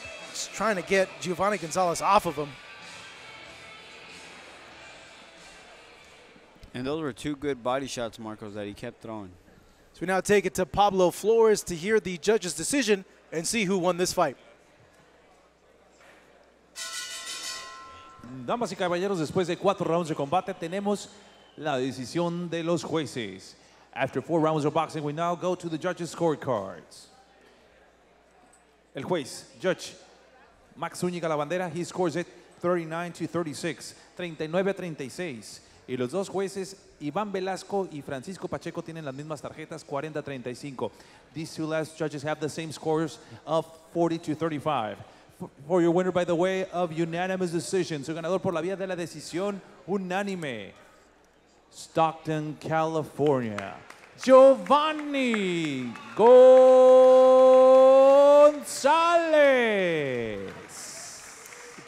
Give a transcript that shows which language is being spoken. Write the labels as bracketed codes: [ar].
[en] He's trying to get Giovanni Gonzalez off of him. And those were two good body shots, Marcos, that he kept throwing. So we now take it to Pablo Flores to hear the judge's decision and see who won this fight. [es] Damas y caballeros, después de cuatro rounds de combate, tenemos la decisión de los jueces. [en] After four rounds of boxing, we now go to the judges' scorecards. [es] El juez, [en] judge, Max Zúñiga La Bandera, he scores it 39-36, 39-36. [es] Y los dos jueces, Iván Velasco y Francisco Pacheco, tienen las mismas tarjetas, 40-35. [en] These two last judges have the same scores of 40-35. For your winner, by the way, of unanimous decision, [es] su ganador por la vía de la decisión unánime, [en] Stockton, California. Giovanni Gonzalez.